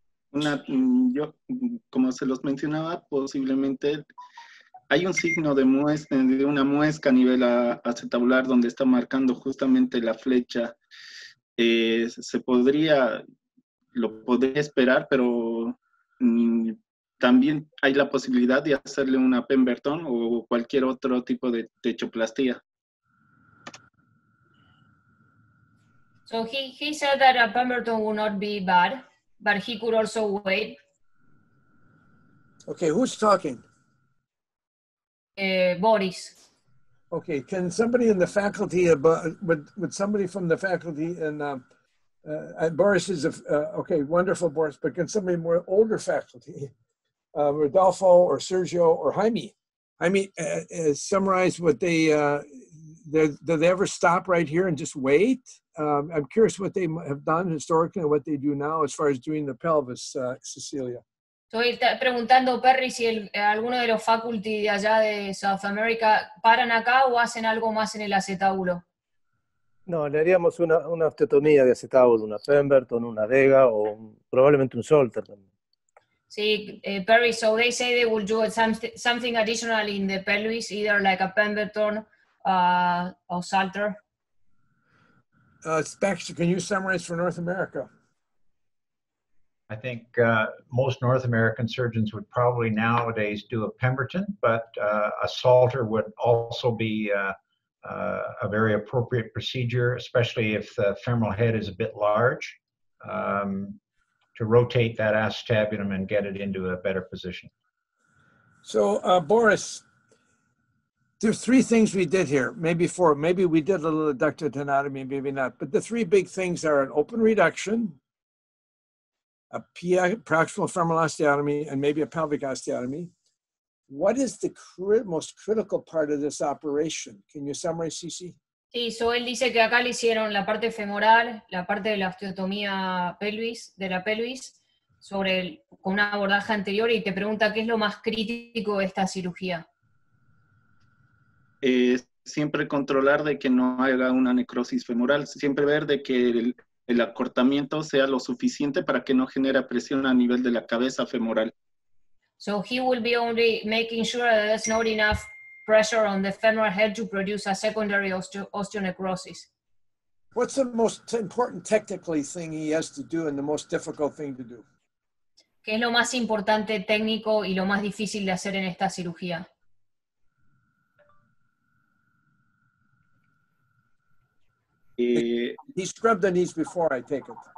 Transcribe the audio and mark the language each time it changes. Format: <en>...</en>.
<es>Una, yo, como se los mencionaba, posiblemente hay un signo de muesca, de una muesca a nivel acetabular donde está marcando justamente la flecha. Se podría, lo podría esperar, pero también hay la posibilidad de hacerle una Pemberton o cualquier otro tipo de techoplastia.</es> <en>So he said that a Pemberton would not be bad, but he could also wait. Okay, who's talking? Boris. Okay, can somebody in the faculty, would somebody from the faculty, and Boris is, okay, wonderful Boris, but can somebody more older faculty, Rodolfo or Sergio or Jaime, summarize what they, do they ever stop right here and just wait? I'm curious what they have done historically and what they do now as far as doing the pelvis, Cecilia.</en> <es>Estoy preguntando, Perry, si alguno de los faculty de allá de South America paran acá o hacen algo más en el acetábulo. No, le haríamos una osteotomía de acetábulo, una Pemberton, una Dega o probablemente un Solter también.</es> <en>Sí, Perry, so they say they will do something additional in the pelvis, either like a Pemberton or Solter. Specs, can you summarize for North America? I think most North American surgeons would probably nowadays do a Pemberton, but a Salter would also be a very appropriate procedure, especially if the femoral head is a bit large, to rotate that acetabulum and get it into a better position. So, Boris, there's three things we did here, maybe four. Maybe we did a little adducted tenotomy, maybe not. But the three big things are an open reduction, a proximal femoral osteotomy, and maybe a pelvic osteotomy. What is the most critical part of this operation? Can you summarize, Cici?</en> <es>Sí, so él dice que acá le hicieron la parte femoral, la parte de la osteotomía pelvis, de la pelvis, sobre el, con un abordaje anterior, y te pregunta qué es lo más crítico de esta cirugía. Siempre controlar de que no haya una necrosis femoral, siempre ver de que el acortamiento sea lo suficiente para que no genere presión a nivel de la cabeza femoral.</es> <en>So he will be only making sure that there's not enough pressure on the femoral head to produce a secondary osteonecrosis. What's the most important technically thing he has to do and the most difficult thing to do?</en> <es>¿Qué es lo más importante técnico y lo más difícil de hacer en esta cirugía?</es> <en>He scrubbed the knees before, I take it.</en>